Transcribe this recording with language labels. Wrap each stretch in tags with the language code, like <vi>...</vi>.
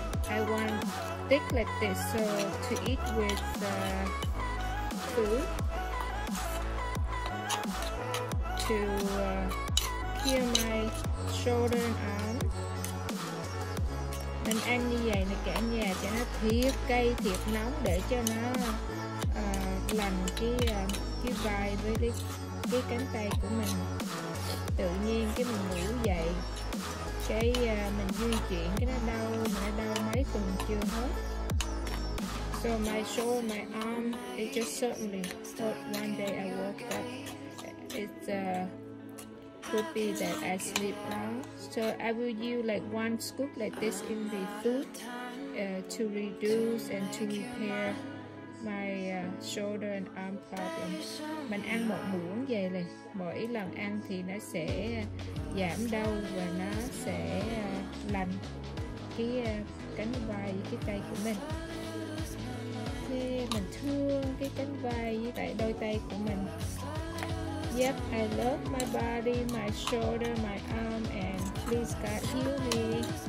<en>I want thick like this, so to eat with food to cure my shoulder and arms.</en> <vi>Mình ăn như vậy là cả nhà cho nó thiệt cay thiệt nóng để cho nó lành cái vai với cái cánh tay của mình. Tự nhiên cái mình ngủ dậy cái mình di chuyển cái nó đau mấy tuần chưa hết.</vi> <en>So my shoulder, my arm, it just suddenly hurt one day I woke up. It could be that I sleep wrong. So I will use like 1 scoop like this in the food to reduce and to repair my shoulder and arm problems.</en> <vi>Mình ăn một muỗng vậy này. Mỗi lần ăn thì nó sẽ giảm đau và nó sẽ lành cái cánh vai với cái tay của mình. Mình thương cái cánh vai với tại đôi tay của mình.</vi> <en>Yep, I love my body, my shoulder, my arm, and please God heal me.</en>